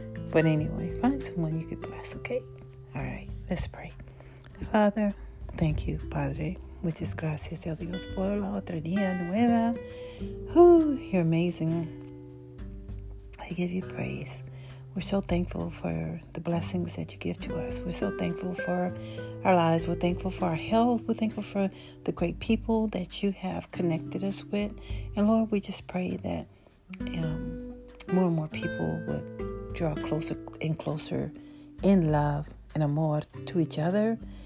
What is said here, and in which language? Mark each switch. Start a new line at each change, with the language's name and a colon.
English: But anyway, find someone you could bless, okay? All right, let's pray. Father, thank you, Padre.
Spanish: Muchas gracias, a Dios, por la otra día nueva.
English: Ooh, you're amazing. I give you praise. We're so thankful for the blessings that you give to us. We're so thankful for our lives. We're thankful for our health. We're thankful for the great people that you have connected us with. And Lord, we just pray that more and more people would draw closer and closer in love and amor to each other.